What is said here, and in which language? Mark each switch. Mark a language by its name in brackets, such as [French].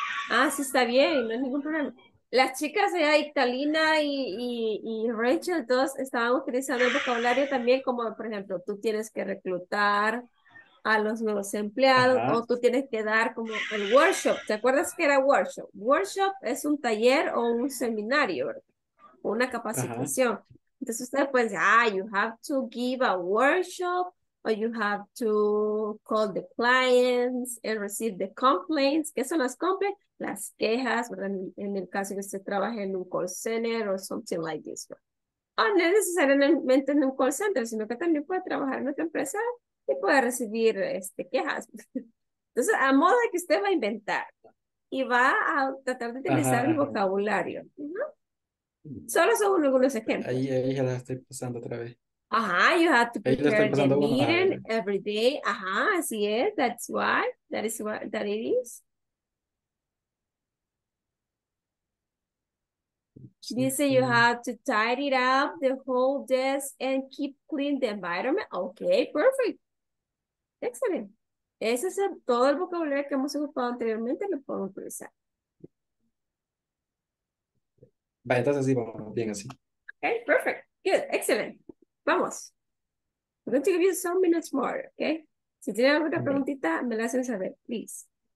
[Spanish] Ah, sí, está bien, no hay ningún problema. Las chicas de Italina y Rachel, todos estaban utilizando el vocabulario también, como por ejemplo, tú tienes que reclutar a los nuevos empleados, ajá, o tú tienes que dar como el workshop. ¿Te acuerdas que era workshop? Workshop es un taller o un seminario, ¿verdad? Una capacitación. Ajá. Entonces ustedes pueden decir, ah, [English] you have to give a workshop, or you have to call the clients and receive the complaints. [Spanish] ¿Qué son las complaints? Las quejas, ¿verdad? En el caso que usted trabaje en un call center o [English] something like this. [Spanish] O no necesariamente en un call center, sino que también puede trabajar en otra empresa y puede recibir quejas. Entonces, a modo de que usted va a inventar y va a tratar de utilizar, ajá, el vocabulario, ¿no? Solo son algunos ejemplos. Ahí ya la estoy pasando otra vez. [English] Ajá, you have to prepare the meeting every day. Ajá, [Spanish] así es. [English] That's why. That is what that it is. Dice, you have to tidy it up, the whole desk, and keep clean the environment. Okay, perfect. Excellent. [Spanish] Ese es todo el vocabulario que hemos ocupado anteriormente, lo podemos utilizar. Vale, entonces sí, vamos bien así. [English] Okay, perfect. Good, excellent. [Spanish] Vamos. [English] I'm going to give you some minutes more, okay? [Spanish] Si tienen alguna preguntita, me la hacen saber, please.